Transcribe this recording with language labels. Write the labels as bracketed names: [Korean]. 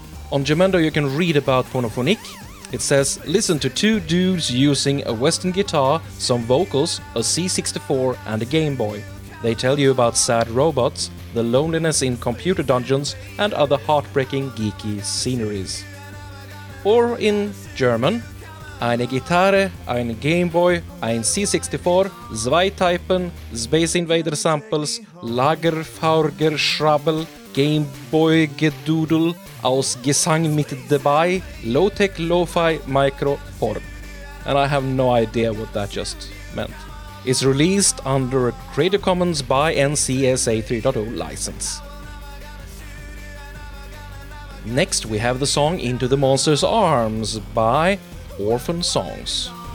[English] On Jamendo you can read about Pornophonic. It says, listen to two dudes using a Western guitar, some vocals, a C64 and a Game Boy. They tell you about sad robots, the loneliness in computer dungeons and other heartbreaking geeky sceneries. Or in German, [German] eine Gitarre, ein Game Boy, ein C64, zwei Typen, Space Invader Samples, Lagerfeuer Schrabbel, Game Boy Gedudel, aus Gesang mit dabei, Low-Tech Lo-Fi Micro Porn. [English] And I have no idea what that just meant. It's released under a Creative Commons by NCSA 3.0 license. Next we have the song Into the Monster's Arms by Orphan Songs.